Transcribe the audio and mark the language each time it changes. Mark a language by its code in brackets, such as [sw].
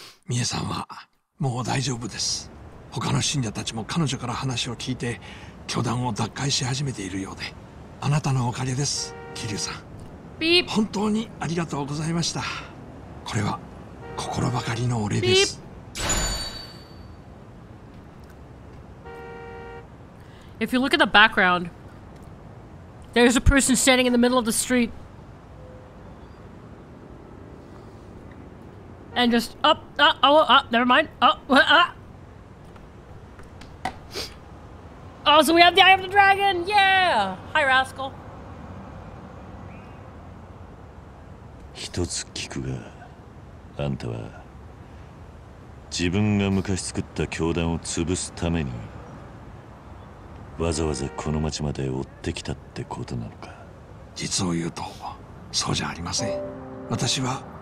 [ja] ミエさんはもう大丈夫です。他の信者たちも彼女から話を聞いて、教団を脱会し始めているようで、あなたのおかげです、キリュウさん。ビープ。本当にありがとうございました。これは心ばかりのお礼です。ビープ。 [en] If you look at the background, there's a person standing in the middle of the street. And just up, never mind. Oh, so we have the Eye of the Dragon. Yeah. Hi, Rascal. [ja] 一つ聞くが、あんたは自分が昔作った教団を潰すためにわざわざこの町まで追ってきたってことなのか。実を言うと、そうじゃありません。私は。